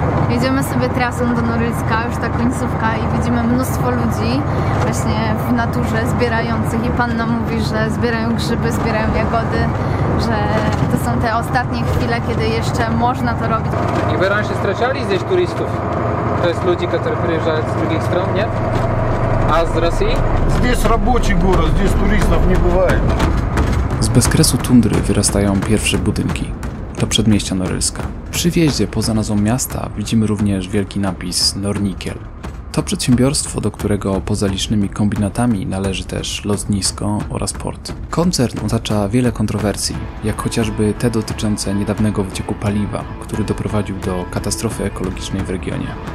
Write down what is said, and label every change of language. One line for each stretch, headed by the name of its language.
Polish: Jedziemy sobie trasą do Norylska, już ta końcówka, i widzimy mnóstwo ludzi właśnie w naturze zbierających. I panna mówi, że zbierają grzyby, zbierają jagody, że to są te ostatnie chwile, kiedy jeszcze można to robić. I wy raczej straciali gdzieś turystów? To jest ludzi, którzy przyjeżdżają z drugich stron, nie? A z Rosji?
Russian: Здесь рабочий город, здесь туристов не бывает.
Polish: Z bezkresu tundry wyrastają pierwsze budynki. To przedmieścia Norylska. Przy wjeździe poza nazwą miasta widzimy również wielki napis Nornikiel. To przedsiębiorstwo, do którego poza licznymi kombinatami należy też lotnisko oraz port. Koncern otacza wiele kontrowersji, jak chociażby te dotyczące niedawnego wycieku paliwa, który doprowadził do katastrofy ekologicznej w regionie.